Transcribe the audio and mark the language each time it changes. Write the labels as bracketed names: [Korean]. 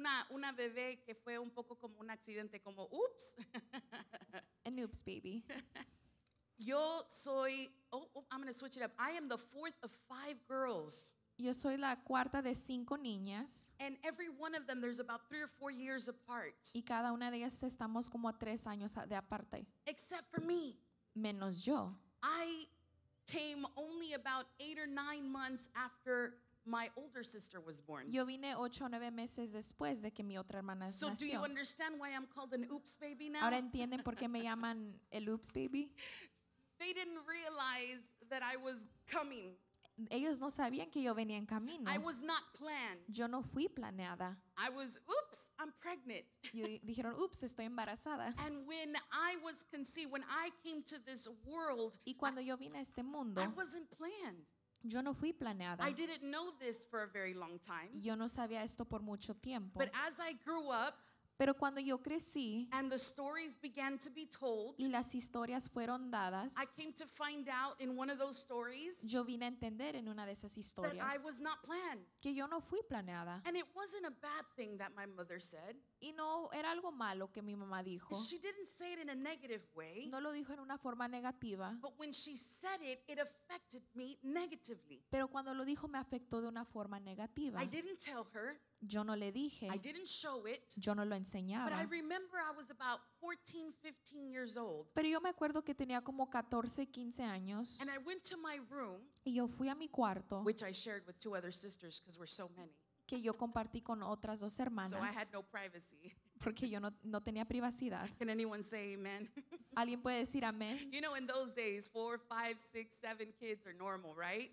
[Spanish] una bebé que fue un poco como un accidente, como oops. [English] An oops baby. [Spanish] Yo soy, [English] I'm going to switch it up. I am the fourth of 5 girls. [Spanish] Yo soy la cuarta de 5 niñas. [English] And every one of them, there's about 3 or 4 years apart. [Spanish] Y cada una de ellas estamos como 3 años de aparte. [English] Except for me. [Spanish] Menos yo. [English] I came only about 8 or 9 months after my older sister was born. [Spanish] Yo vine 8 o 9 meses después de que mi otra hermana [English] so [Spanish] nació. [English] So do you understand why I'm called an oops baby now? [Spanish] ¿Ahora entienden por qué me llaman el [English] oops baby? They didn't realize that I was coming. [Spanish] Ellos no sabían que yo venía en camino. [English] I was not planned. [Spanish] Yo no fui planeada. [English] I was, oops, I'm pregnant. [Spanish] Y dijeron, oops, estoy embarazada. [English] And when I was conceived, when I came to this world, [Spanish] y cuando yo vine a este mundo, [English] I wasn't planned. [Spanish] Yo no fui planeada. [English] I didn't know this for a very long time. [Spanish] Yo no sabía esto por mucho tiempo. [English] But as I grew up, [Spanish] Pero cuando yo crecí, [English] and the stories began to be told, [Spanish] y las historias fueron dadas, [English] I came to find out in one of those stories, [Spanish] yo vine a entender en una de esas historias, [English] that I was not planned. [Spanish] Que yo no fui planeada. [English] And it wasn't a bad thing that my mother said. [Spanish] Y no era algo malo que mi mamá dijo. [English] She didn't say it in a negative way. [Spanish] No lo dijo en una forma negativa. [English] But when she said it, it affected me negatively. [Spanish] Pero cuando lo dijo, me afectó de una forma negativa. [English] I didn't tell her. [Spanish] Yo no le dije. [English] I didn't show it. [Spanish] Yo no lo enseñaba. [English] But I remember I was about 14, 15 years old. [Spanish] Pero yo me acuerdo que tenía como 14, 15 años. [English] And I went to my room. [Spanish] Y yo fui a mi cuarto. [English] Which I shared with two other sisters because we're so many. [Spanish] Que yo compartí con otras dos hermanas. [English] So I had no privacy. [Spanish] Porque yo no tenía privacidad. [English] Can anyone say amen? [Spanish] ¿Alguien puede decir amén? [English] You know, in those days, 4, 5, 6, 7 kids are normal, right?